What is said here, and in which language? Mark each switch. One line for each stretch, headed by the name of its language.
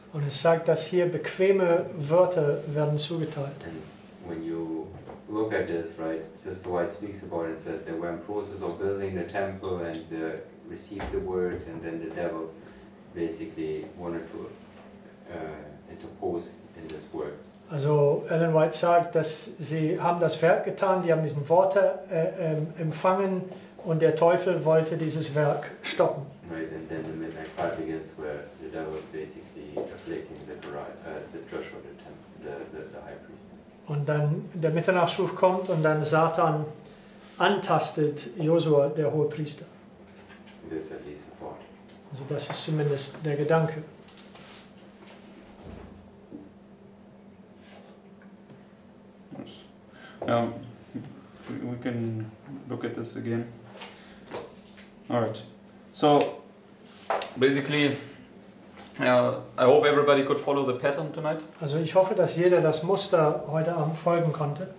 German: Und es sagt, dass hier bequeme Wörter werden zugeteilt.
English: And when you look at this, right? Sister White speaks about it and says they were in process of building the temple and they received the words, and then the devil basically wanted to interpose in this work.
German: Also Ellen White sagt, dass sie haben das Werk getan, die haben diesen Worte empfangen und der Teufel wollte dieses Werk stoppen.
English: Right, and then the midnight part begins where the devil is basically afflicting the Joshua, the temple, the high priest.
German: Und dann der Mitternachtsruf kommt und dann Satan antastet Josua, der Hohepriester.
English: That's at least a thought.
German: Also das ist zumindest der Gedanke.
English: Yes. We can look at this again. Alright. So basically. I hope everybody could follow the pattern tonight.
German: Also ich hoffe, dass jeder das Muster heute Abend folgen konnte.